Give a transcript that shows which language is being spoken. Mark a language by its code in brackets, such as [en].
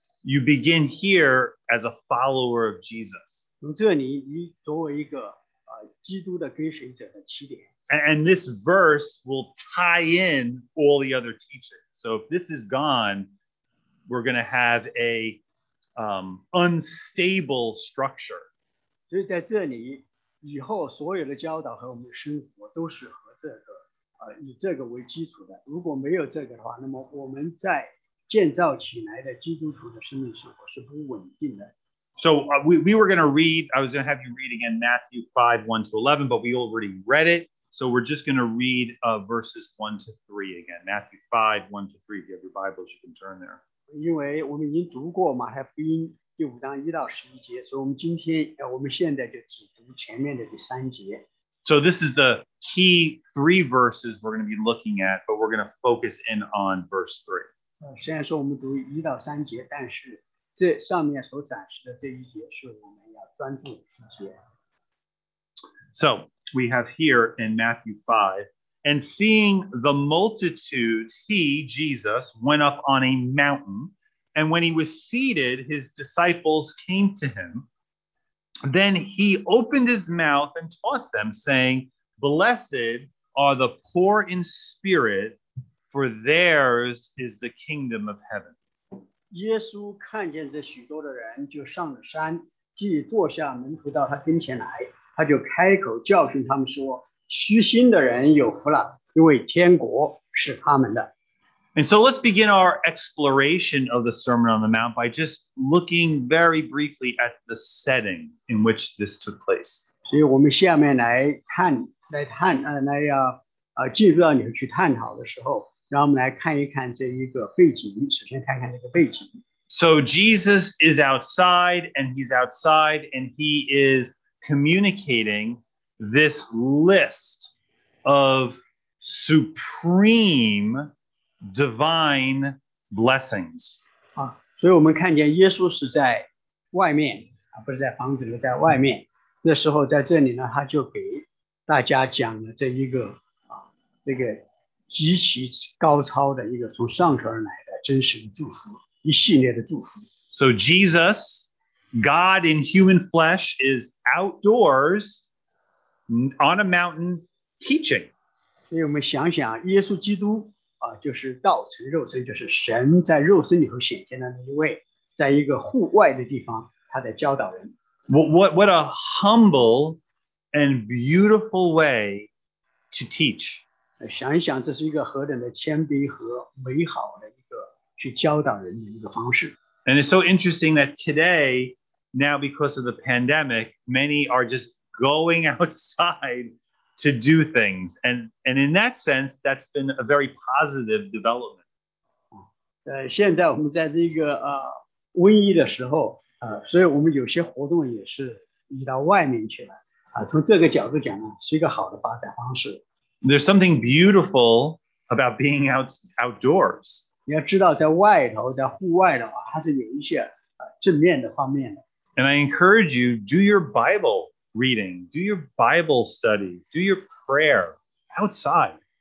[en] You begin here as a follower of Jesus. [zh] 从这里，你作为一个基督的跟随者的起点。 [en] And this verse will tie in all the other teachings. So if this is gone, we're going to have a unstable structure. [zh] 所以在这里，以后所有的教导和我们的生活都是和这个以这个为基础的。如果没有这个的话，那么我们在建造起来的基督徒的生命生活是不稳定的。 [en] So we were going to read, I was going to have you read again Matthew 5, 1 to 11, but we already read it. So we're just going to read verses 1 to 3 again. Matthew 5, 1 to 3. If you have your Bibles, you can turn there. [zh] 因为我们已经读过马太福音第五章一到十一节，所以我们今天，我们现在就只读前面的第三节。 [en] So this is the key three verses we're going to be looking at, but we're going to focus in on verse 3. [zh] 虽然说我们读一到三节，但是这上面所展示的这一节是我们要专注的一节。 [en] So we have here in Matthew 5, and seeing the multitudes, he, Jesus, went up on a mountain, and when he was seated, his disciples came to him. Then he opened his mouth and taught them, saying, Blessed are the poor in spirit, for theirs is the kingdom of heaven. [zh] 耶稣看见这许多的人，就上了山，即坐下，门徒到他跟前来，他就开口教训他们说，虚心的人有福了，因为天国是他们的。 [en] And so let's begin our exploration of the Sermon on the Mount by just looking very briefly at the setting in which this took place. [zh] 所以我们下面进入到里面去探讨的时候，让我们来看一看这一个背景，首先看看这个背景。 [en] So Jesus is outside, and he's outside, and he is communicating this list of supreme divine blessings. [zh] 所以我们看见耶稣是在外面，不是在房子里，在外面。那时候在这里呢，他就给大家讲了这一个这个极其高超的一个从上头而来的真实的祝福，一系列的祝福。 [en] So Jesus, God in human flesh, is outdoors on a mountain teaching. [zh] 所以我们想想，耶稣基督就是道成肉身，就是神在肉身里头显现的那一位，在一个户外的地方，他在教导人。 [en] What a humble and beautiful way to teach. [zh] 想一想，这是一个何等的谦卑和美好的一个去教导人的一个方式。 [en] And it's so interesting that today now because of the pandemic, many are just going outside to do things. And in that sense, that's been a very positive development. [zh] 现在我们在这个瘟疫的时候，所以我们有些活动也是移到外面去了，从这个角度讲呢，是一个好的发展方式。 [en] There's something beautiful about being outdoors. [zh] 你要知道在外头，在户外的话，它是有一些正面的方面的。 [en] And I encourage you, do your Bible reading, do your Bible study, do your prayer outside.